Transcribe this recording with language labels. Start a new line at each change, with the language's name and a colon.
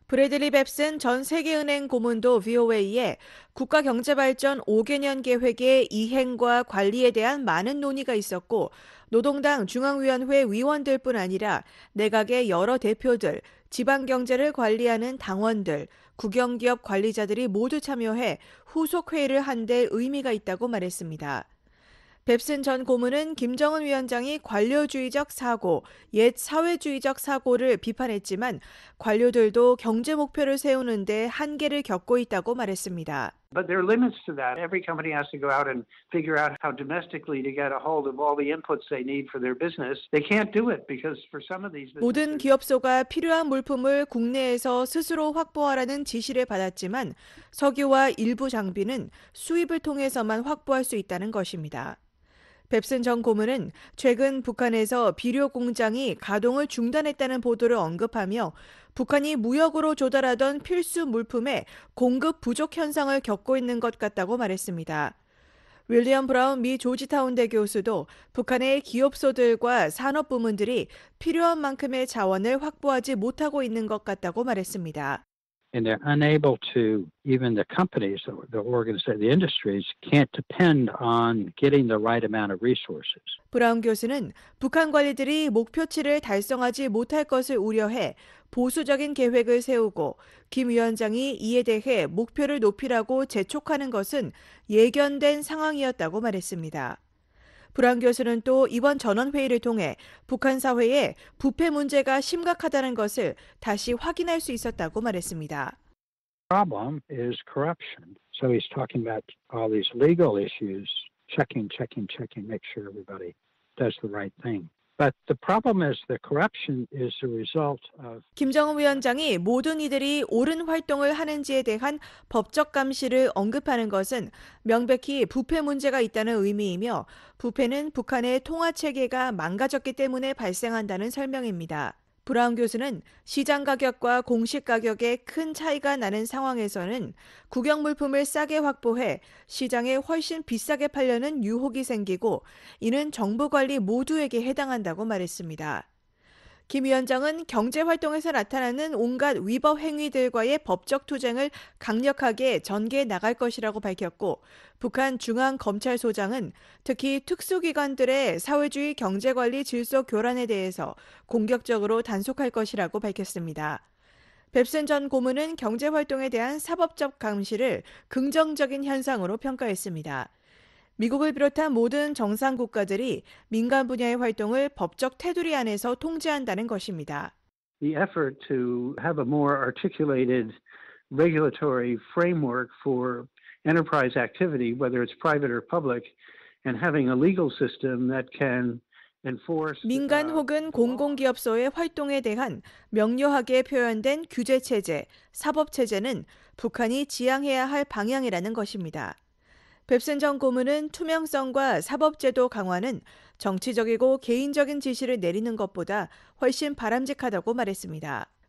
Korean: 브래들리 뎁슨 전 세계은행 고문도 VOA에 국가경제발전 5개년 계획의 이행과 관리에 대한 많은 논의가 있었고 노동당 중앙위원회 위원들뿐 아니라 내각의 여러 대표들, 지방경제를 관리하는 당원들, 국영기업 관리자들이 모두 참여해 후속 회의를 한 데 의미가 있다고 말했습니다. 뎁슨 전 고문은 김정은 위원장이 관료주의적 사고, 옛 사회주의적 사고를 비판했지만 관료들도 경제 목표를 세우는 데 한계를 겪고 있다고 말했습니다.
English: But there are limits to that. Every company has to go out and figure out how domestically to get a hold of all the inputs they need for their business. They can't do it because for some of these businesses.
Korean: 모든 기업소가 필요한 물품을 국내에서 스스로 확보하라는 지시를 받았지만 석유와 일부 장비는 수입을 통해서만 확보할 수 있다는 것입니다. 뎁슨 전 고문은 최근 북한에서 비료 공장이 가동을 중단했다는 보도를 언급하며 북한이 무역으로 조달하던 필수 물품에 공급 부족 현상을 겪고 있는 것 같다고 말했습니다. 윌리엄 브라운 미 조지타운 대 교수도 북한의 기업소들과 산업 부문들이 필요한 만큼의 자원을 확보하지 못하고 있는 것 같다고 말했습니다.
English: and they're unable to, even the companies, the organizations, the industries can't depend on getting the right amount of resources.
Korean: 브라운 교수는 북한 관리들이 목표치를 달성하지 못할 것을 우려해 보수적인 계획을 세우고 김 위원장이 이에 대해 목표를 높이라고 재촉하는 것은 예견된 상황이었다고 말했습니다. 브라운 교수는 또 이번 전원회의를 통해 북한 사회에 부패 문제가 심각하다는 것을 다시 확인할 수 있었다고 말했습니다.
English: Problem is corruption. So he's talking about all these legal issues, checking, make sure everybody does the right thing. But the problem is the corruption is the result of
Korean: 김정은 위원장이 모든 이들이 옳은 활동을 하는지에 대한 법적 감시를 언급하는 것은 명백히 부패 문제가 있다는 의미이며 부패는 북한의 통화 체계가 망가졌기 때문에 발생한다는 설명입니다. 브라운 교수는 시장 가격과 공시 가격에 큰 차이가 나는 상황에서는 국영 물품을 싸게 확보해 시장에 훨씬 비싸게 팔려는 유혹이 생기고 이는 정부 관리 모두에게 해당한다고 말했습니다. 김 위원장은 경제 활동에서 나타나는 온갖 위법 행위들과의 법적 투쟁을 강력하게 전개해 나갈 것이라고 밝혔고 북한 중앙검찰소장은 특히 특수기관들의 사회주의 경제관리 질서 교란에 대해서 공격적으로 단속할 것이라고 밝혔습니다. 뱁슨 전 고문은 경제 활동에 대한 사법적 감시를 긍정적인 현상으로 평가했습니다. 미국을 비롯한 모든 정상 국가들이 민간 분야의 활동을 법적 테두리 안에서 통제한다는 것입니다.
English: The effort to have a more articulated regulatory framework for enterprise activity, whether it's private or public, and having a legal system that can
Korean: 민간 혹은 공공기업소의 활동에 대한 명료하게 표현된 규제 체제, 사법 체제는 북한이 지향해야 할 방향이라는 것입니다. 뱁슨 전 고문은 투명성과 사법제도 강화는 정치적이고 개인적인 지시를 내리는 것보다 훨씬 바람직하다고 말했습니다.